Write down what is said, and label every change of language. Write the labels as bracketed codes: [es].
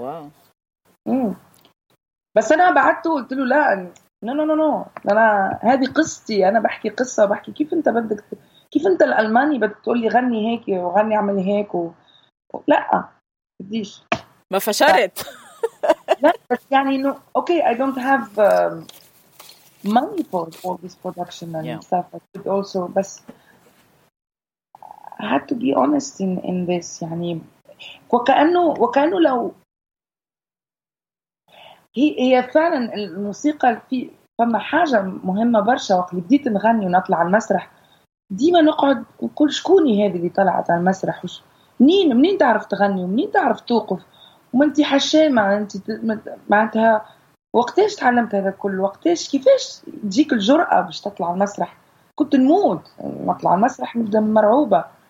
[en] Wow. [ar] بس أنا بعته قلت له لا نو نو نو نو، أنا هذه قصتي، أنا بحكي قصة، بحكي كيف أنت بدك، كيف أنت الألماني بدك تقول لي غني هيك وغني اعمل هيك لا بديش. ما فشلت. [en] لا بس يعني no okay I don't have money for all this production and stuff, but also, بس I had to be honest in this. [ar] يعني وكأنه لو هي فعلا الموسيقى في فما حاجة مهمة برشا. وقت اللي بديت نغني ونطلع على المسرح ديما نقعد نقول شكوني هذه اللي طلعت على المسرح، وش منين تعرف تغني ومنين تعرف توقف، وما انت حشامة، انت معناتها وقتاش تعلمت هذا كل، وقتاش كيفاش تجيك الجرأة باش تطلع على المسرح؟ كنت نموت نطلع على المسرح، نبدا مرعوبة.